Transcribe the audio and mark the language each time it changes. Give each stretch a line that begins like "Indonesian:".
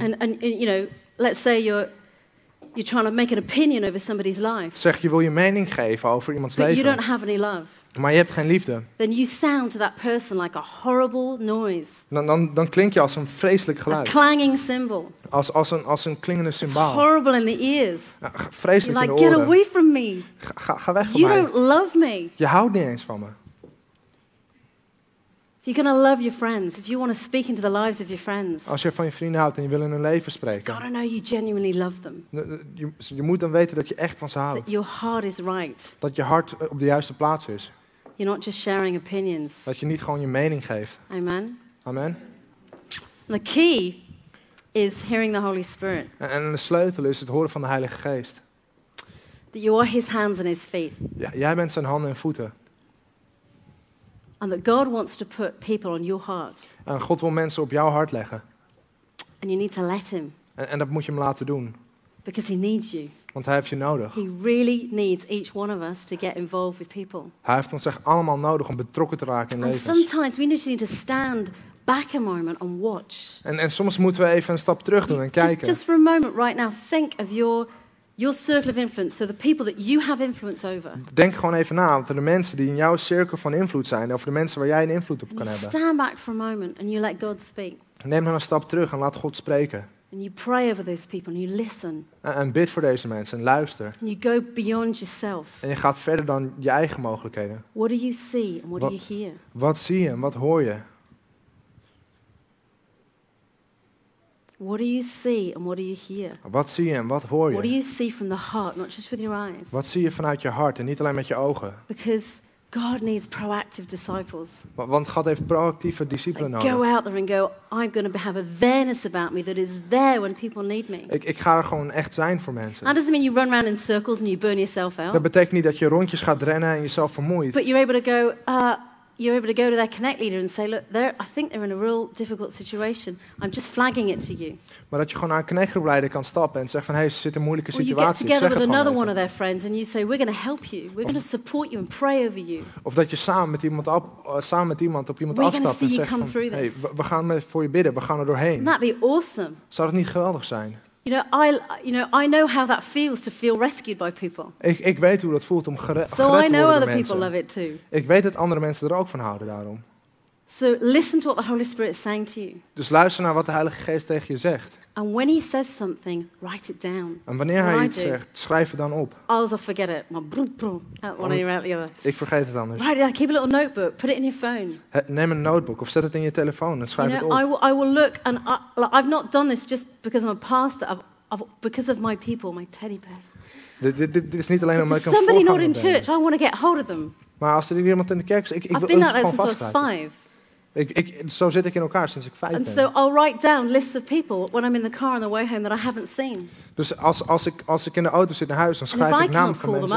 English: And you know, let's say You're trying to make an opinion over somebody's life.
Dutch: Zeg, je wil je mening geven over iemands
English: but
Dutch: leven.
English: You don't have any love.
Dutch: Maar je hebt geen liefde.
English: Then you sound to that person like a horrible noise.
Dutch: Dan klink je als een vreselijk geluid.
English: A clanging cymbal.
Dutch: Als een klingende cymbaal.
English: It's horrible in the ears.
Dutch: Vreselijk
English: like,
Dutch: in de oren.
English: Get away from me.
Dutch: Ga weg van
English: you
Dutch: mij.
English: You don't love me.
Dutch: Je houdt niet eens van me.
English: You're going to love your friends. If you want to speak into the lives of your friends.
Dutch: Als je van je vrienden houdt en je wil in hun leven spreken.
English: You've got to know you genuinely love them.
Dutch: Je moet dan weten dat je echt van ze houdt.
English: That your heart is right.
Dutch: Dat je hart op de juiste plaats is.
English: You're not just sharing opinions.
Dutch: Dat je niet gewoon je mening geeft.
English: Amen.
Dutch: Amen.
English: The key is hearing the Holy Spirit.
Dutch: En de sleutel is het horen van de Heilige Geest.
English: That you are his hands and his feet.
Dutch: Jij bent zijn handen en voeten.
English: And that God wants to put people on your heart.
Dutch: En God wil mensen op jouw hart leggen.
English: And you need to let him.
Dutch: En dat moet je hem laten doen.
English: Because he needs you.
Dutch: Want hij heeft je nodig.
English: He really needs each one of us to get involved with people.
Dutch: Hij heeft ons echt allemaal nodig om betrokken te raken in
English: and
Dutch: levens.
English: And sometimes we just need to stand back a moment and watch.
Dutch: En soms moeten we even een stap terug doen en kijken.
English: Just for a moment right now, think of your circle of influence, so the people that you have influence over.
Dutch: Denk gewoon even na, over de mensen die in jouw cirkel van invloed zijn, over de mensen waar jij een invloed op kan
English: you
Dutch: hebben.
English: Stand back for a moment and you let God speak.
Dutch: Neem dan een stap terug en laat God spreken.
English: And you pray over those people and you listen.
Dutch: En bid voor deze mensen en luister.
English: And you go beyond yourself.
Dutch: En je gaat verder dan je eigen mogelijkheden.
English: What do you see and what do you hear?
Dutch: Wat zie je en wat hoor je?
English: What do you see and what do you hear?
Dutch: Wat zie je en wat hoor je?
English: What do you see from the heart, not just with your eyes?
Dutch: Wat zie je vanuit je hart en niet alleen met je ogen?
English: Because God needs proactive disciples.
Dutch: Want God heeft proactieve discipelen nodig.
English: Go out there and go. I'm going to have a awareness about me that is there when people need me.
Dutch: Ik ga er gewoon echt zijn voor mensen.
English: That doesn't mean you run around in circles and you burn yourself out.
Dutch: Dat betekent niet dat je rondjes gaat rennen en jezelf vermoeit.
English: But you're able to go. You're able to go to their connect leader and say, look, I think they're in a real difficult situation. I'm just flagging it to you.
Dutch: Maar dat je gewoon naar een connect leider kan stappen en zegt van, hey, ze zit in een moeilijke situatie.
English: Or you get together with another one of their friends and you say, we're going to help you. We're going to support you and pray over you.
Dutch: Of dat je samen met iemand afstapt en zegt van, hey, we gaan voor je bidden. We gaan er doorheen.
English: That'd be awesome.
Dutch: Zou dat niet geweldig zijn?
English: You know, I know how that feels to feel rescued by people.
Dutch: Ik weet hoe dat voelt om gered te worden door
English: mensen. So I know other people love it too.
Dutch: Ik weet dat andere mensen er ook van houden daarom.
English: So listen to what the Holy Spirit is saying to you.
Dutch: Dus luister naar wat de Heilige Geest tegen je zegt.
English: And when he says something, write it down.
Dutch: En wanneer hij iets zegt, schrijf het dan op.
English: Also forget it. Maar brum, brum, one ear out the other.
Dutch: Ik vergeet het anders.
English: Write it down. Keep a little notebook. Put it in your phone.
Dutch: Neem een notebook of zet het in je telefoon en schrijf
English: you know,
Dutch: het op.
English: I will look and I've not done this just because I'm a pastor. Because of my people, my teddy bears.
Dutch: Dit is niet alleen omdat ik een voorganger ben.
English: Somebody not in church. I want to get hold of them.
Dutch: Maar als er iemand in de kerk is, ik
English: I've been like that since I was five.
Dutch: Zo zit ik in elkaar sinds ik vijf ben.
English: And so I'll write down lists of people when I'm in the car on the way home that I haven't seen.
Dutch: Dus als ik in de auto zit naar huis, dan schrijf ik namen van mensen